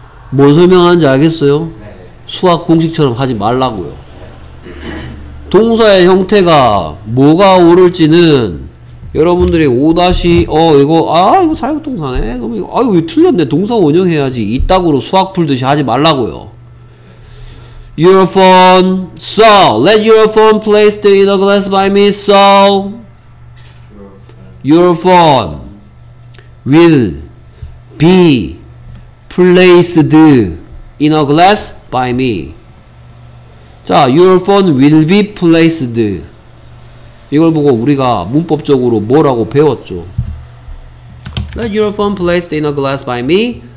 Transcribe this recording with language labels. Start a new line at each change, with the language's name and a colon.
Korean: 뭔 설명하는지 알겠어요? 수학 공식처럼 하지 말라고요. 동사의 형태가 뭐가 오를지는 여러분들이 5-, 어, 이거, 아, 이거 사역동사네. 그럼 이거, 아, 이거 왜 틀렸네. 동사 원형 해야지. 이따구로 수학 풀듯이 하지 말라고요.
English: Your phone, so, let your phone placed in a glass by me, so. Your phone will be placed in a glass by me.
Korean: 자,
English: your phone will be placed.
Korean: 이걸 보고 우리가 문법적으로 뭐라고 배웠죠?
English: Let your phone placed in a glass by me.